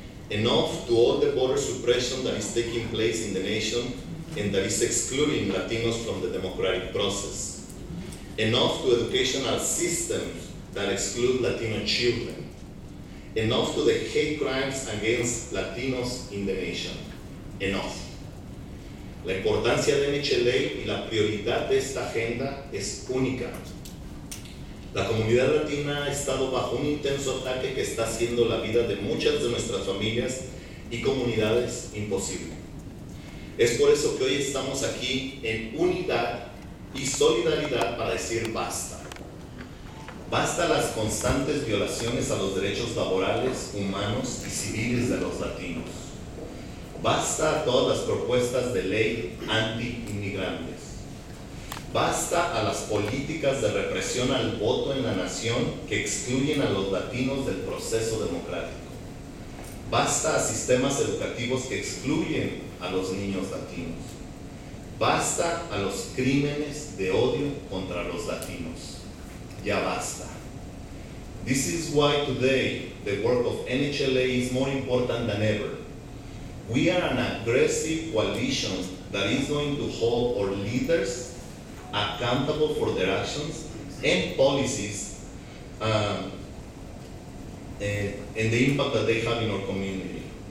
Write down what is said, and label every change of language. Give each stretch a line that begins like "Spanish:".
English: Enough to all the border suppression that is taking place in the nation and that is excluding Latinos from the democratic process. Enough to educational systems that exclude Latino children. Enough to the hate crimes against Latinos in the nation. Enough.
Spanish: La importancia de NHLA y la prioridad de esta agenda es única. La comunidad latina ha estado bajo un intenso ataque que está haciendo la vida de muchas de nuestras familias y comunidades imposible. Es por eso que hoy estamos aquí en unidad y solidaridad para decir basta. Basta las constantes violaciones a los derechos laborales, humanos y civiles de los latinos. Basta a todas las propuestas de ley anti-inmigrantes. basta a las políticas de represión al voto en la nación que excluyen a los latinos del proceso democrático. Basta a sistemas educativos que excluyen a los niños latinos. Basta a los crímenes de odio contra los latinos. Ya basta.
English: This is why today the work of NHLA is more important than ever. We are an aggressive coalition that is going to hold our leaders accountable for their actions and policies and the impact that they have in our community.